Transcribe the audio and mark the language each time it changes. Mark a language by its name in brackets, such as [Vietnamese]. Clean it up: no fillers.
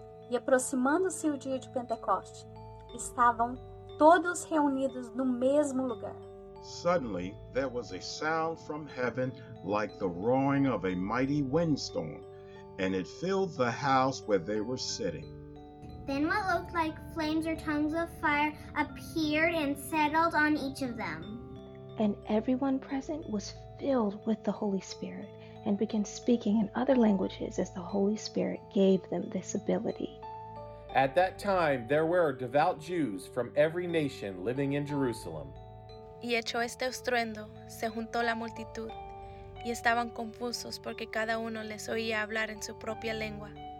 [Portuguese] E aproximando-se o dia de Pentecoste, estavam todos reunidos no mesmo lugar. [English] Suddenly, there was a sound from heaven like the roaring of a mighty windstorm, and it filled the house where they were sitting. Then what looked like flames or tongues of fire appeared and settled on each of them. And everyone present was filled with the Holy Spirit and began speaking in other languages as the Holy Spirit gave them this ability. At that time, there were devout Jews from every nation living in Jerusalem. [Spanish] Y hecho este estruendo, se juntó la multitud, y estaban confusos porque cada uno les oía hablar en su propia lengua.